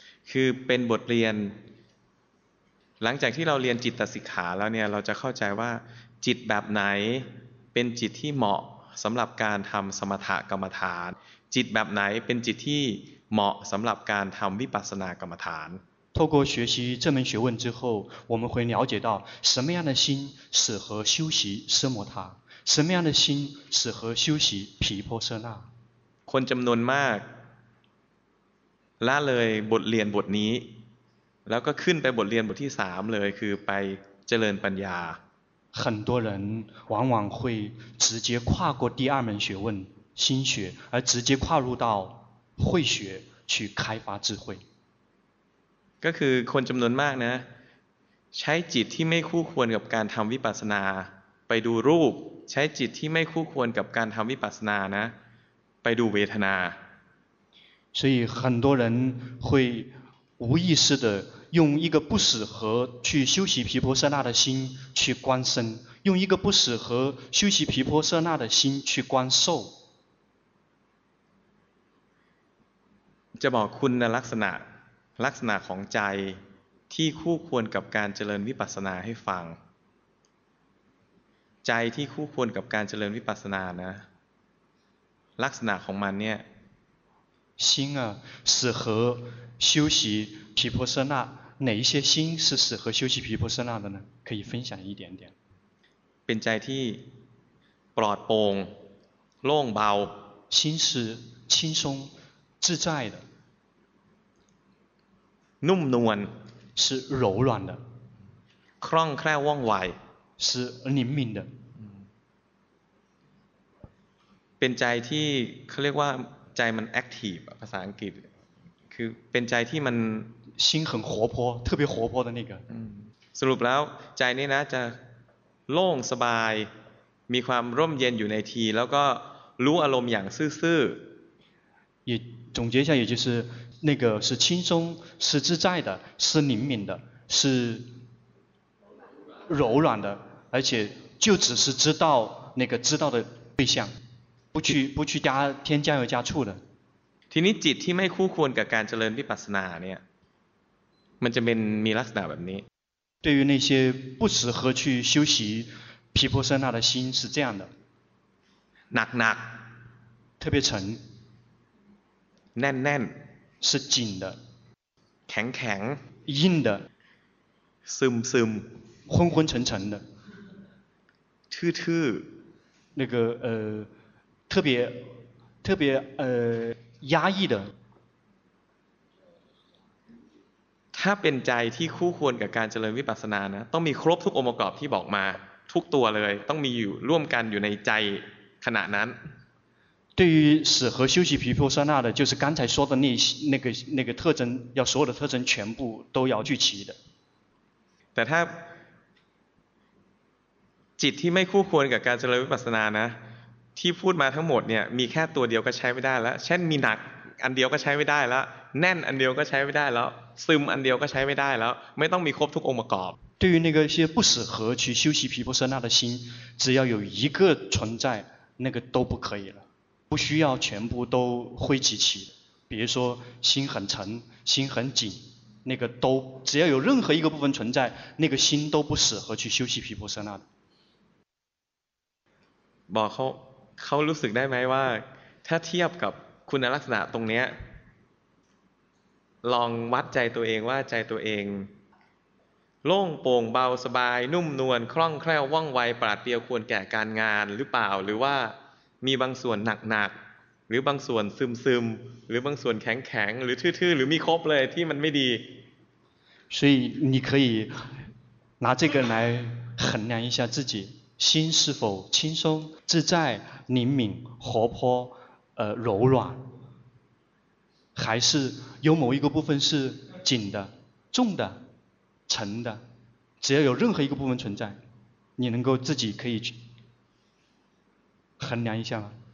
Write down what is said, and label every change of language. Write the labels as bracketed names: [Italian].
[Thai] คือเป็นบทเรียนหลังจากที่เราเรียนจิตสิกขาแล้วเนี่ยเราจะเข้าใจว่าจิตแบบไหนเป็นจิตที่เหมาะสำหรับการทำสมถกรรมฐานจิตแบบไหนเป็นจิตที่เหมาะสำหรับการทำวิปัสสนากรรมฐาน [Chinese] 透过学习这门学问之后我们会了解到什么样的心适合修习奢摩他什么样的心适合修习毗婆舍那 [Thai] คนจำนวนมากละเลยบทเรียนบทนี้แล้วก็ขึ้นไปบทเรียนบทที่3เลยคือไปเจริญปัญญา [Chinese] 很多人往往会直接跨过第二门学问心学而直接跨入到慧学去开发智慧 [Thai] ก็คือคนจำนวนมากนะใช้จิตที่ไม่คู่ควรกับการทำวิปัสสนาไปดูรูปใช้จิตที่ไม่คู่ควรกับการทำวิปัสสนานะไปดูเวทนา [Chinese] 所以很多人会无意识的用一个不适合去修习毗婆舍那的心去观身用一个不适合修习毗婆舍那的心去观受 [Thai] จะบอกคุณลักษณะของใจที่คู่ควรกับการเจริญวิปัสสนาให้ฟังใจที่คู่ควรกับการเจริญวิปัสสนานะลักษณะของมันเนี่ย [Chinese] 心啊适合修习毗婆舍那哪一些心是适合修习毗婆舍那的呢可以分享一点点 [Thai] เป็นใจที่ปลอดโปร่งโล่งเบา [Chinese] 心是轻松自在的 [Thai] นุ่มนวล [Chinese] 是柔软的 [Thai] คล่องแคล่วว่องไว [Chinese] 是灵敏的 [Thai] เป็นใจที่เขาเรียกว่าใจมันแอคทีฟภาษาอังกฤษคือเป็นใจที่มัน [Chinese] 心很活泼特别活泼的那个 [Thai] สรุปแล้วใจนี้นะจะโล่งสบายมีความร่มเย็นอยู่ในทีแล้วก็รู้อารมณ์อย่างซื่อ [Chinese] 也总结一下也就是那个是轻松是自在的是灵敏的是柔软的而且就只是知道那个知道的对象不去加添加油加醋的 [Thai] ทีนี้จิตที่ไม่คู่ควรกับการเจริญวิปัสสนาเนี่ยมันจะเป็นมีลักษณะแบบนี้ [Chinese] 对于那些不适合去修习毗婆舍那的心是这样的 [Thai] หนัก [Chinese] ๆ特别沉 [Thai] แน่น [Chinese] ๆ是紧的 [Thai] แข็ง [Chinese] ๆ硬的 [Thai] ซึม [Chinese] ๆ昏昏沉沉的 [Thai] ทื่อ [Chinese] ๆ那个特别压抑的 [Thai] ถ้าเป็นใจที่คู่ควรกับการเจริญวิปัสสนานะต้องมีครบทุกองค์ประกอบที่บอกมาทุกตัวเลยต้องมีอยู่ร่วมกันอยู่ในใจขณะนั้น [Chinese] 对于适合修习毗婆舍那的就是刚才说的那个特征要所有的特征全部都要具齐的 [Thai] แต่ถ้าจิตที่ไม่คู่ควรกับการเจริญวิปัสสนานะที่พูดมาทั้งหมดเนี่ยมีแค่ตัวเดียวก็ใช้ไม่ได้แล้วเช่นมีหนักอันเดียวก็ใช้ไม่ได้แล้วแน่นอันเดียวก็ใช้ไม่ได้แล้วซึมอันเดียวก็ใช้ไม่ได้แล้วไม่ต้องมีครบทุกองค์ประกอบ [Chinese] 对于那个些不适合去修习毗婆舍那的心只要有一个存在那个都不可以了不需要全部都汇集起比如说心很沉心很紧那个都只要有任何一个部分存在那个心都不适合去修习毗婆舍那的 [Thai] บอกเขารู้สึกได้ไหมว่าถ้าเทียบกับคุณลักษณะตรงนี้ลองวัดใจตัวเองว่าใจตัวเองโล่งโปร่งเบาสบายนุ่มนวลคล่องแคล่วว่องไวปราดเปรียวควรแก่การงานหรือเปล่าหรือว่ามีบางส่วนหนักหนักหรือบางส่วนซึมซึมหรือบางส่วนแข็งแข็งหรือทื่อๆหรือมีครบเลยที่มันไม่ดี [Chinese] 所以你可以拿这个来衡量一下自己心是否轻松自在灵敏活泼柔软还是有某一个部分是紧的重的沉的只要有任何一个部分存在你能够自己可以去衡量一下吗